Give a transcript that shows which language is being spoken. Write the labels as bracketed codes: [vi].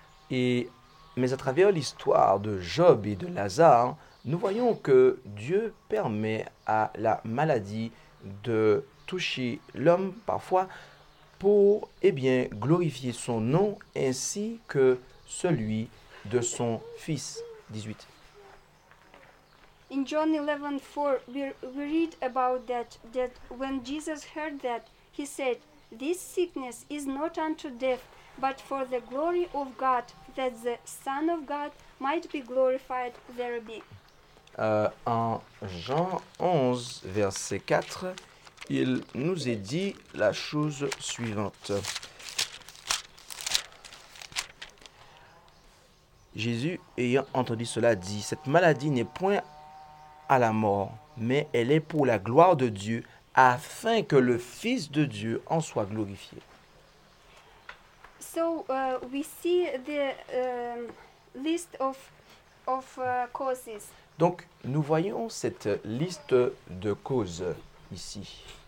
[fr] Mais à travers l'histoire de Job et de Lazare, nous voyons que Dieu permet à la maladie de toucher l'homme parfois pour eh bien glorifier son nom ainsi que celui de son fils. 18. [en] In John 11:4, we read about that when Jesus heard that, he said, "This sickness is not unto death, but for the glory of God, that the Son of God might be glorified thereby." [fr] En Jean 11, verset 4, il nous est dit la chose suivante. Jésus, ayant entendu cela, dit, « Cette maladie n'est point à la mort, mais elle est pour la gloire de Dieu, afin que le Fils de Dieu en soit glorifié. » [en] So we see the list of causes. [fr] Donc nous voyons cette liste de causes ici.